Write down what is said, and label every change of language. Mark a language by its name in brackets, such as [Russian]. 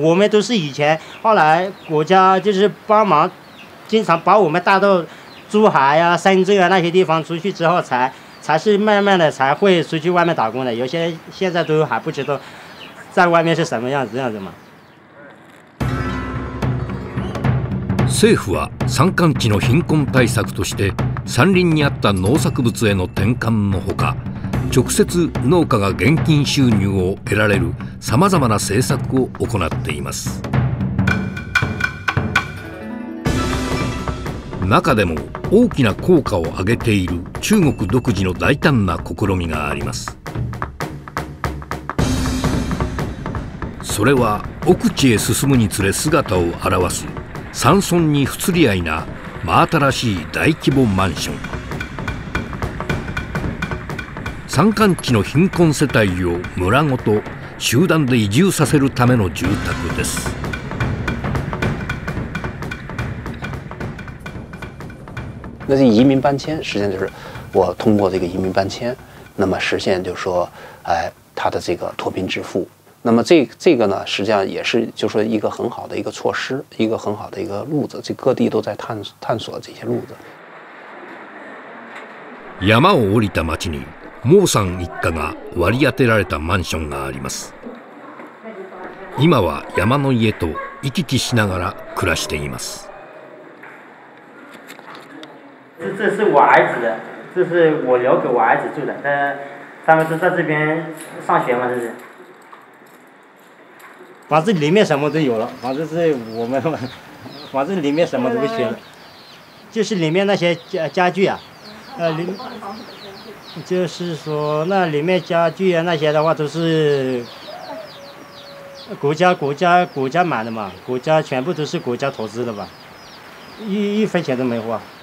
[Chinese] 我们都是以前后来国家就是帮忙经常把我们带到珠海啊深圳啊那些地方出去之后才是慢慢的才会出去外面打工的，有些现在都还不知道在外面是什么样子，这样子嘛。 [Japanese] 政府は山間地の貧困対策として山林にあった農作物への転換のほか、直接農家が現金収入を得られるさまざまな政策を行っています。中でも大きな効果を上げている中国独自の大胆な試みがあります。それは奥地へ進むにつれ姿を現す山村に不釣り合いな真新しい大規模マンション。山間地の貧困世帯を村ごと集団で移住させるための住宅です。 [Chinese] 那移民搬迁实际上就是我通过这个移民搬迁，那么实现就是说，他的这个脱贫致富。那么这个呢，实际上也是就是说一个很好的一个措施，一个很好的一个路子。这各地都在探索这些路子。 [Japanese] 山を降りた町に。モーさん一家が割り当てられたマンションがあります。今は山の家と行き来しながら暮らしています。 [Chinese] 这是我儿子的，这是我留给我儿子住的，他们是在这边上学吗？这是反正里面什么都有了，反正是我们反正里面什么都不缺，就是里面那些家具啊，就是说那里面家具啊那些的话都是国家买的嘛，国家全部都是国家投资的吧，一分钱都没花。